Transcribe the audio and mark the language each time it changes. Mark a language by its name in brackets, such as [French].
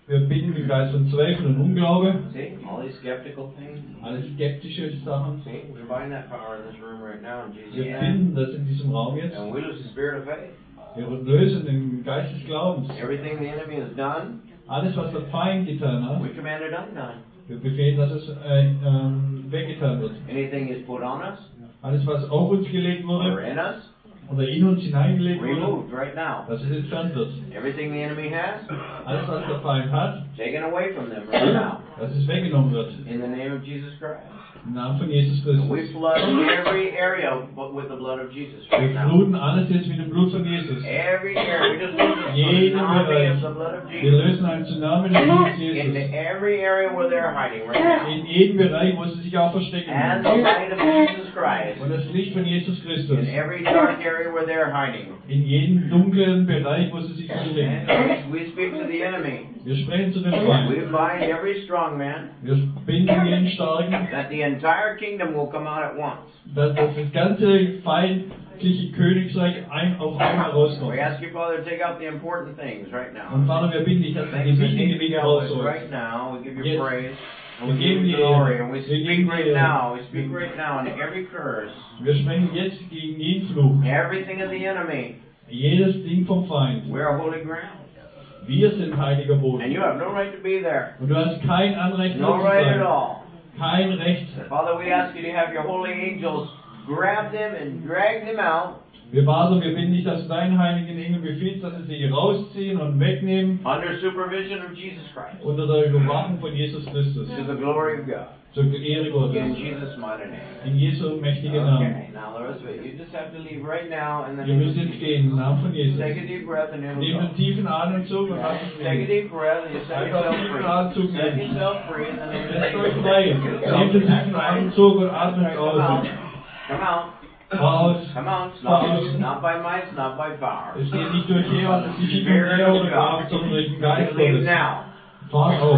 [German] Wir bitten den Geist von Zweifel und Unglaube. [English] See, all these skeptical things. [German] Alle skeptische Sachen. [English] See, we bind that power in this room right now in Jesus' [German] name. Wir bitten das in diesem Raum jetzt. [English] And we lose the spirit of faith. [German] Wir lösen den Geist des Glaubens. [English] Everything the enemy has done, [German] alles, was der Feind getan hat, [English] we command it undone. [German] Wir befehlen, dass es weggetan wird. [English] Anything is put on us, [German] alles, was auf uns gelegt wurde, [English] or in us, [German] oder in uns hineingelegt [English] removed [German] wurde, [English] right now. [German] Dass es entfernt wird. [English] Everything the enemy has, [German] alles, was der Feind hat, [English] taken away from them right now. [German] dass es weggenommen wird. [English] In the name of Jesus Christ. [German] Im Namen von Jesus Christus. [English] We flood every area with the blood of Jesus. [German] Wir fluten alles jetzt mit dem Blut von Jesus. [English] Every area, we just [German] jeden Bereich. Wir lösen einen Tsunami des Blutes Jesus. [English] In every area where they're hiding right now. [German] In jedem Bereich, wo sie sich auch verstecken. [English] And the light of Jesus Christ. [German] Und das Licht von Jesus Christus. [English] In every dark area where they're hiding. [German] In jedem dunklen Bereich, wo sie sich verstecken. [English] We speak to the enemy. [German] Wir sprechen zu dem Feind. [English] We bind every strong man. [German] Wir binden jeden starken. [English] The entire kingdom will come out at once. [German] Dass das ganze feindliche Königreich auf einmal rauskommt. [English] We ask you, Father, to take out the important things right now. [German] Und Vater, wir bitten dich, dass du die wichtigen Dinge rausholst. [English] Right now, we give you [German] jetzt. [English] Praise. [German] Wir geben dir [English] Glory, and we speak right now. We speak right now in every curse. [German] Wir sprechen jetzt gegen jeden Fluch. [English] Everything of the enemy. [German] Jedes Ding vom Feind. [English] We are holy ground. [German] Wir sind heiliger Boden. [English] And you have no right to be there. [German] Und du hast kein Anrecht [English] no [German] zu [English] right [German] sein. [English] At all. [German] Kein Recht. [English] Father, we ask you to have your holy angels grab them and drag them out. [German] Wir baten, wir bitten dich, dass dein heiligen Engel befiehlt, dass sie rausziehen und wegnehmen. [English] Under supervision of Jesus Christ. [German] Unter der Überwachung von Jesus Christus. [English] To the glory of God. [German] Zur Ehre Gottes. [English] In Jesus' mighty name. [German] In Jesu mächtigen [English] okay. [German] Namen. [English] Okay, now Lord, you just have to leave right now and then. [German] Wir müssen jetzt gehen im Namen von Jesus. [English] Take a deep breath and [German] nehmen einen tiefen Atemzug und lass [English] uns take a deep breath and you set yourself free. [German] Einfach tiefen Atemzug. Set yourself free and then lass euch frei. Nehmt einen tiefen Atemzug und atmet raus. [English] Come out. [German] Raus. [English] Come on, not by might, not by power. [German] Es geht nicht durch jemand, es ist nicht durch Ehre oder Kraft, sondern durch den Geist Gottes.